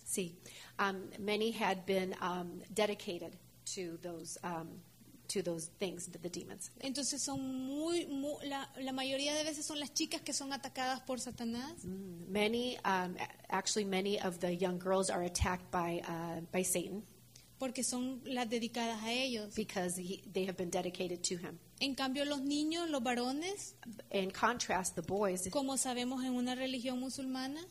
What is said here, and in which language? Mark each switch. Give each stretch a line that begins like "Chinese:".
English: Sí, many had been dedicated to those things, the demons.
Spanish: Entonces son muy, muy la mayoría de veces son las chicas que son atacadas por Satanás.
English: Many, actually many of the young girls are attacked by Satan.
Spanish: Porque son las dedicadas a ellos.
English: Because they have been dedicated to him.
Spanish: En cambio los niños, los varones,
English: in contrast, the boys,
Spanish: como sabemos en una religión musulmana,